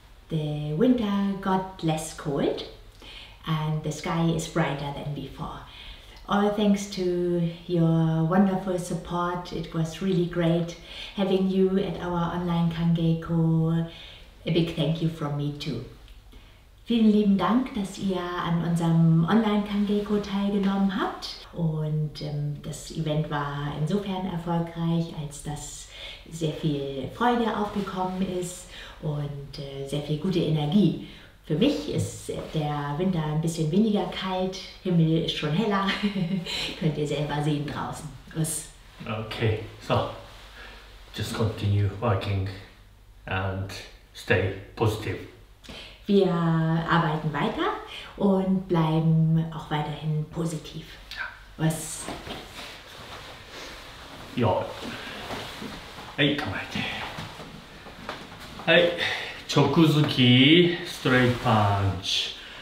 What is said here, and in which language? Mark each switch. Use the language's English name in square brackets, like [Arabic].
[English] The winter got less cold and the sky is brighter than before. All thanks to your wonderful support. It was really great having you at our online Kangeiko. A big thank you from me too. [German] Vielen lieben Dank, dass ihr an unserem Online-Kangeiko teilgenommen habt. Und das Event war insofern erfolgreich, als dass sehr viel Freude aufgekommen ist und sehr viel gute Energie. Für mich ist der Winter ein bisschen weniger kalt, Himmel ist schon heller. Könnt ihr selber sehen draußen. Grüß. [English] Okay, so, just continue working and stay positive. [German] Wir arbeiten weiter und bleiben auch weiterhin positiv. Ja. Was? Ja. Hey, komm weiter. Hey, Chokuzuki, [English] straight punch.